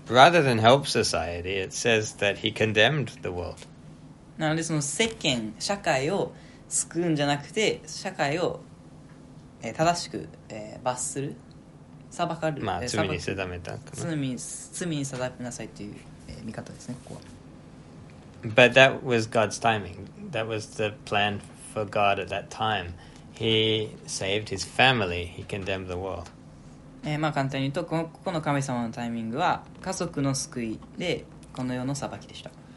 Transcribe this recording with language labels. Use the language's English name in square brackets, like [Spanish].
[English] Rather than help society, it says that he condemned the world. [Japanese] なのでその世間、社会を救うんじゃなくて、社会を正しく、罰する、裁かる、まあ、罪に定めたかな、罪に定めなさいという、見方ですね、ここは。 [English] But that was God's timing. That was the plan for God at that time. He saved his family. He condemned the world. [Japanese] まあ簡単に言うと、ここの神様のタイミングは家族の救いで、この世の裁きでした。